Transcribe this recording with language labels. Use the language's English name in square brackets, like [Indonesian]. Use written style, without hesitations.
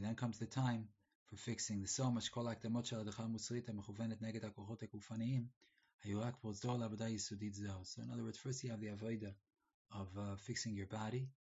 [English] Then comes the time for fixing the soul. [Hebrew] משקול ההקדמות של הדרכה המוסרית המכוונת נגד הכוחות הגופניים היו רק פרוצדור לעבודה יסודית זו. [English] So in other words, first you have the avoda of fixing your body.